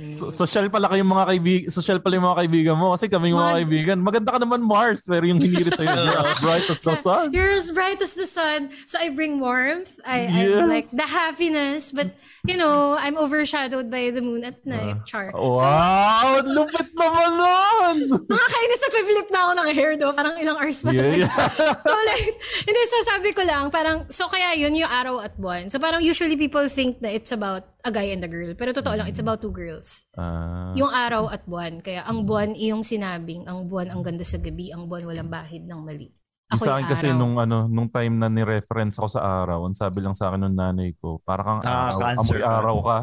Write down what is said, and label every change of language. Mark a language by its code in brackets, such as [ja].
[tl] social pala kayong mga kaibigan, social pala yung mga kaibigan mo, kasi kami yung mga kaibigan. Maganda ka naman, Mars, pero yung hinirit sa'yo, [en] you're as bright as the sun. You're as bright as the sun. So I bring warmth, I like the happiness, but you know, I'm overshadowed by the moon at night, char. [tl] Wow! So, lupit naman nun! Nakakainis, nagpiflip na ako ng hair do. Parang ilang hours pa. So like, hindi, so sabi ko lang, parang, so kaya yun yung araw at buwan. [en] So parang usually people think na it's about a guy and a girl. [tl] Pero totoo lang, [en] it's about two girls. [tl] Yung araw at buwan. Kaya ang buwan, iyong sinabing, ang buwan ang ganda sa gabi, ang buwan walang bahid ng mali. Sa akin kasi nung ano nung time na ni-reference ako sa araw, ang sabi lang sa akin nung nanay ko, parang kang amoy araw ka.